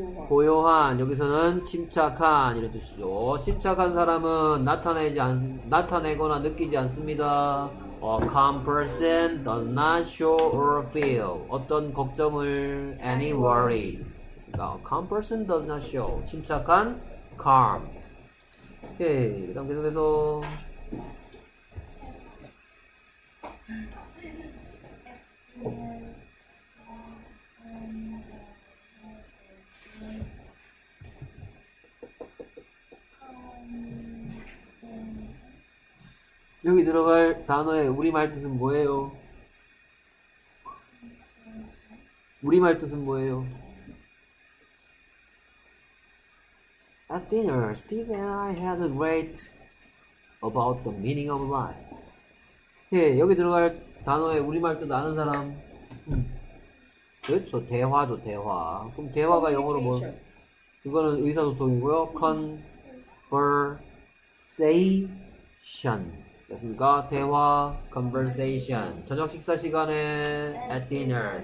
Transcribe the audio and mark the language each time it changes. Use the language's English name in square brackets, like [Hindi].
[Korean] 고요한, 여기서는 침착한, 이런 뜻이죠. 침착한 사람은 나타내거나 느끼지 않습니다. [English] A calm person does not show or feel. [Korean] 어떤 걱정을, [English] any worry. A calm person does not show. [Korean] 침착한, calm. 오케이, 그 다음 계속해서. 여기 들어갈 단어의 우리말 뜻은 뭐예요? 우리말 뜻은 뭐예요? [English] At dinner, Steve and I had a great about the meaning of life. [Korean] 예, 여기 들어갈 단어의 우리말 뜻 아는 사람? 그렇죠, 대화죠, 대화. 그럼 대화가 영어로 뭐? 그거는 의사소통이고요. [English] Conversation. [Korean] 됐습니까? 대화, conversation. 저녁 식사 시간에 [English] at dinner.